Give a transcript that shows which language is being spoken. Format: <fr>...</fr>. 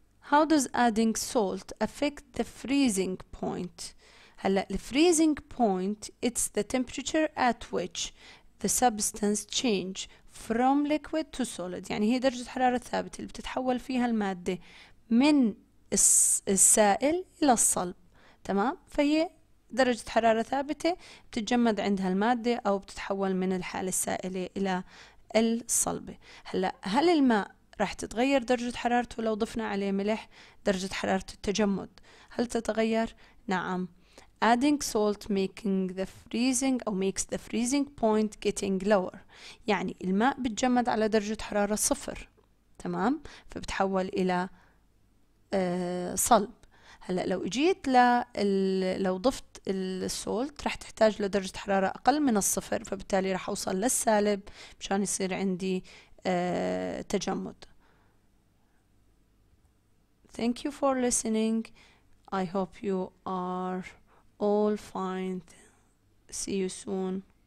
<en>How does adding salt affect the freezing point؟</en> <ar>هلا</ar> <en>the freezing point it's the temperature at which the substance change from liquid to solid،</en> <ar>يعني هي درجة حرارة ثابتة اللي بتتحول فيها المادة من السائل إلى الصلب، تمام؟ فهي درجة حرارة ثابتة بتتجمد عندها المادة أو بتتحول من الحالة السائلة إلى الصلبة. هلأ هل الماء راح تتغير درجة حرارته لو ضفنا عليه ملح؟ درجة حرارة التجمد هل تتغير؟ نعم.</ar> <en>Adding salt making the freezing or makes the freezing point getting lower،</en> <ar>يعني الماء بتجمد على درجة حرارة صفر، تمام؟ فبتحول إلى صلب. هلا لو اجيت لو ضفت السولت رح تحتاج لدرجة حرارة اقل من الصفر، فبالتالي رح اوصل للسالب مشان يصير عندي تجمد.</ar> <en>Thank you for listening. I hope you are all fine. See you soon.</en>